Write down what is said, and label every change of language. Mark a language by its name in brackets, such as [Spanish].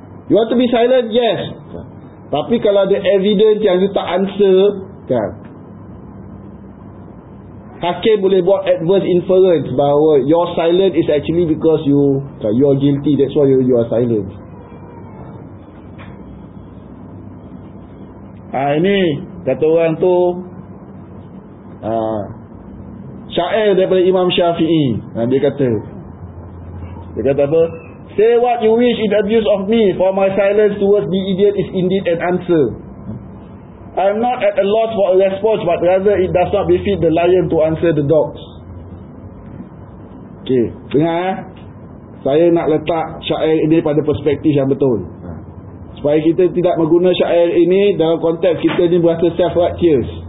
[English] You want to be silent? Yes. [Malay] Tapi kalau ada [English] evidence yang you tak answer, [Malay] kan, hakim boleh buat [English] adverse inference bahawa your silence is actually because you are guilty. That's why you are silent. [Malay] Ini kata orang tu syair daripada Imam Syafi'i. Dia kata apa? [English] Say what you wish in abuse of me, for my silence towards the idiot is indeed an answer. I am not at a loss for a response, but rather it does not befit the lion to answer the dogs. [Malay] Okay, dengar ya. Saya nak letak syair ini pada perspektif yang betul, supaya kita tidak menggunakan syair ini dalam konteks kita ni berasa self-righteous.